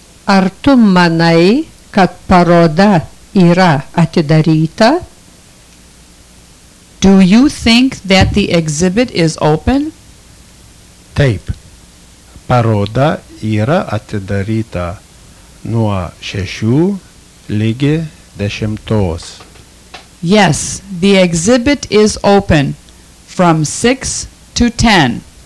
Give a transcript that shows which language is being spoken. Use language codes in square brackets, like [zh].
[lt] Ar tu manai, kad paroda yra atidaryta? [en] Do you think that the exhibit is open? [lt] Taip. Paroda yra atidaryta nuo 6 ligi 10. [en] Yes, the exhibit is open from 6 to 10.